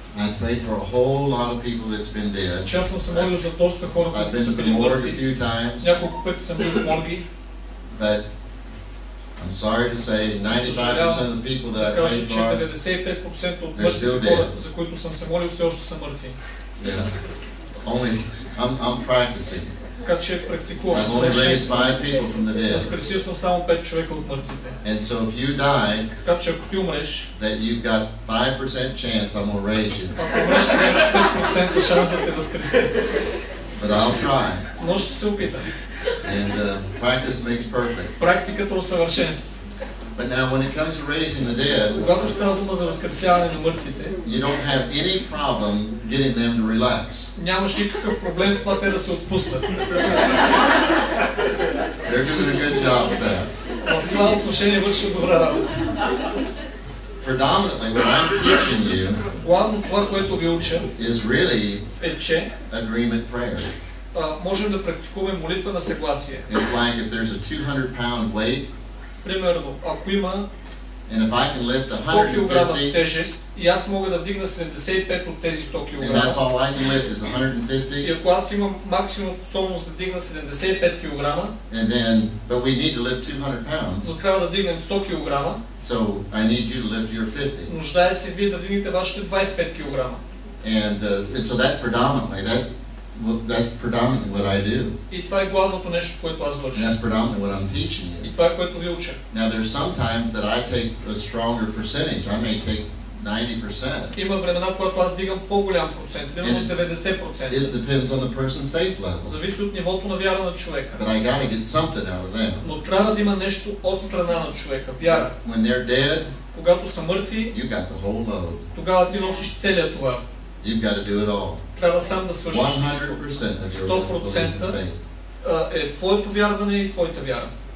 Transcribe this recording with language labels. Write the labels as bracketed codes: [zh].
[en] I prayed for a whole lot of people that's been dead. [bg] Част съм се молил за доста хора, които са били мъртви. Няколко пъти съм бил в морги. [en] But I'm sorry to say, 95% of the people that I prayed for, they're still dead. [bg] 95% от мъртвите хора, за които съм се молил, все още са мъртви. [en] Yeah. Only, I'm practicing. [bg] Така че практикувам. [en] I've only raised 5 people from the dead. [bg] Възкресил съм само 5 човека от мъртвите. [en] And so if you die, [bg] така че ако ти умреш, [en] that you've got 5% chance I'm gonna raise you. [bg] Ако умреш, ти имаш 5% шанс да те възкреси. [en] But I'll try. [bg] Но ще се опитам. [en] And practice makes perfect. [bg] Практиката усъвършенства. [en] But now when it comes to raising the dead, [bg] когато става дума за възкресяване на мъртвите, [en] you don't have any problem getting them to relax. [bg] Нямаш никакъв проблем в това те да се отпуснат. [en] They're doing a good job with that. [bg] В това отношение върши добра работа. [en] Predominantly what I'm teaching you, [bg] главно това, което ви уча, [en] is really [bg] е, че [en] agreement prayer. [bg] Можем да практикуваме молитва на съгласие. [en] It's like if there's a 200-pound weight. [bg] Примерно, ако има 100 кг тежест и аз мога да вдигна 75 от тези 100 кг, и ако аз имам максимум способност да вдигна 75 кг, [en] and then, but we need to lift 200 pounds, [bg] но трябва да вдигнем 100 кг, [en] so I need you to lift your 50. [bg] Нуждая се вие да вдигнете вашите 25 кг. [en] And so that's predominantly that. Well, that's predominantly what I do. [bg] И това е главното нещо, което аз върша. [en] That's predominantly what I'm teaching you. [bg] И това е, което ви уча. [en] Now there's sometimes that I take a stronger percentage. I may take 90%. It depends on the person's faith level. But I got to get something out of them. When they're dead, [bg] когато са мъртви, тогава ти носиш целия това. [en] You've got to do it all. [bg] Трябва сам да свършиш 100% е твоето вярване и твоята вяра.